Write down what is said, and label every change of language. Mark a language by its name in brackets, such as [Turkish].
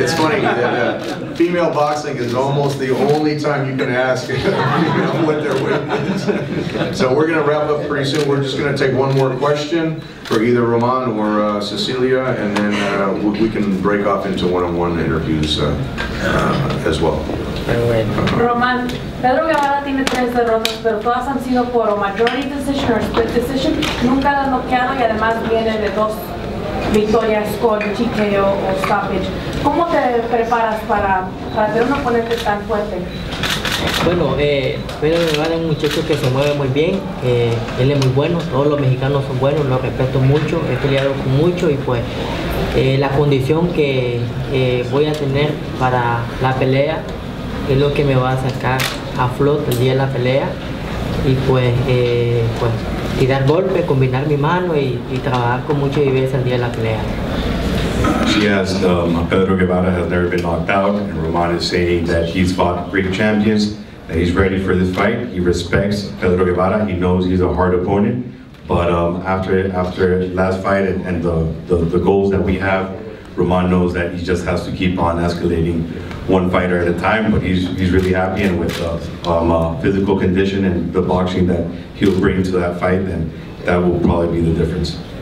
[English] It's funny that female boxing is almost the only time you can ask what their weight is. So we're going to wrap up pretty soon. We're just going to take one more question for either Roman or Cecilia, and then we can break off into one-on-one interviews as well. [Spanish] Roman, Pedro Guevara tiene tres derrotas, pero todas han sido por [English] majority decision or split decision. [Spanish] Nunca la noqueado y además viene de dos victorias con TKO o stoppage. ¿Cómo te preparas para tener un oponente tan fuerte? Bueno, Pedro Guevara es un muchacho que se mueve muy bien, él es muy bueno, todos los mexicanos son buenos, lo respeto mucho, he peleado con mucho y pues la condición que voy a tener para la pelea es lo que me va a sacar a flote el día de la pelea y pues, pues tirar golpes, combinar mi mano y trabajar con mucha viveza el día de la pelea. [English] She asked, Pedro Guevara has never been knocked out, and Roman is saying that he's fought great champions, that he's ready for this fight. He respects Pedro Guevara. He knows he's a hard opponent, but after last fight and the goals that we have, Roman knows that he just has to keep on escalating one fighter at a time, but he's really happy, and with the physical condition and the boxing that he'll bring to that fight, then that will probably be the difference.